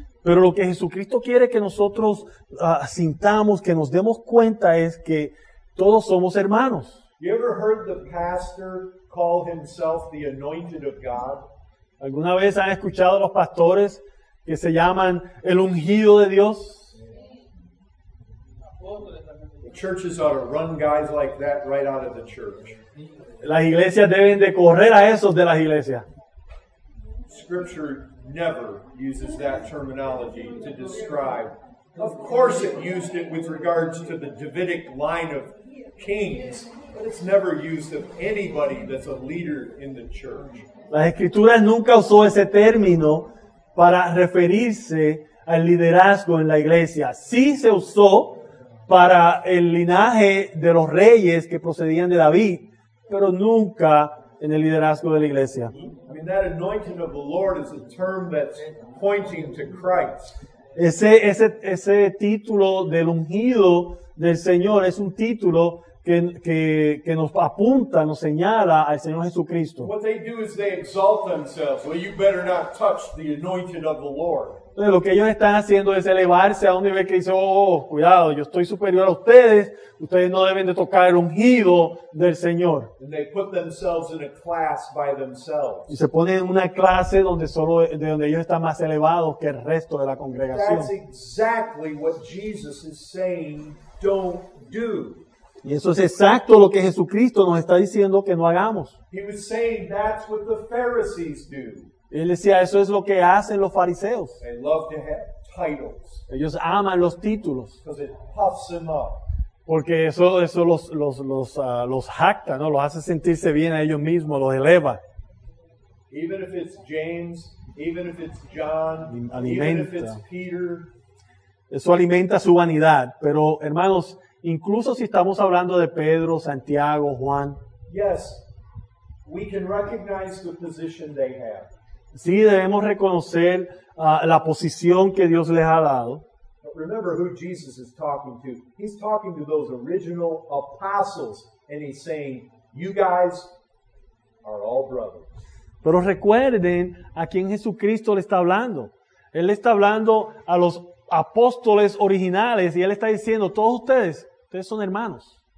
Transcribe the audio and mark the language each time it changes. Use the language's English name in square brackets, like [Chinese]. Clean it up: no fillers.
[Spanish] Pero lo que Jesucristo quiere que nosotros sintamos, que nos demos cuenta, es que todos somos hermanos. [English] You ever heard the pastor call himself the anointed of God? [Spanish] ¿Alguna vez han escuchado a los pastores que se llaman el ungido de Dios? [English] The churches ought to run guys like that right out of the church. [Spanish] Las iglesias deben de correr a esos de las iglesias. [English] Scripture never uses that terminology to describe. Of course it used it with regards to the Davidic line of kings, but it's never used of anybody that's a leader in the church. [Spanish] Las Escrituras nunca usó ese término para referirse al liderazgo en la iglesia. Sí se usó para el linaje de los reyes que procedían de David, pero nunca en el liderazgo de la iglesia. [English] I mean, that anointing of the Lord is a term that's pointing to Christ. [Spanish] Ese título del ungido del Señor es un título que nos apunta, nos señala al Señor Jesucristo. [English] What they do is they exalt themselves. Well, you better not touch the anointed of the Lord. [Spanish] Entonces, lo que ellos están haciendo es elevarse a un nivel que dice, oh, cuidado, yo estoy superior a ustedes, ustedes no deben de tocar el ungido del Señor. [English] And they put themselves in a class by themselves. [Spanish] Y se ponen en una clase donde ellos están más elevados que el resto de la congregación. [English] That's exactly what Jesus is saying, don't do. [Spanish] Y eso es exacto lo que Jesucristo nos está diciendo que no hagamos. [English] He was saying that's what the Pharisees do. [Spanish] Y él decía, eso es lo que hacen los fariseos. [English] They love to have titles. [Spanish] Ellos aman los títulos. [English] Because it puffs them up. [Spanish] Porque eso los jacta, ¿no? Los hace sentirse bien a ellos mismos, los eleva. [English] Even if it's James, even if it's John, [Spanish] alimenta. [English] Even if it's Peter. [Spanish] Eso alimenta su vanidad. Pero, hermanos, incluso si estamos hablando de Pedro, Santiago, Juan. [English] Yes, we can recognize the position they have. [Spanish] Sí, debemos reconocer la posición que Dios les ha dado. [English] Remember who Jesus is talking to. He's talking to those original apostles, and he's saying, "You guys are all brothers." [Spanish] Pero recuerden a quién Jesucristo le está hablando. Él le está hablando a los apóstoles originales, y él está diciendo, "Todos ustedes, ustedes son hermanos."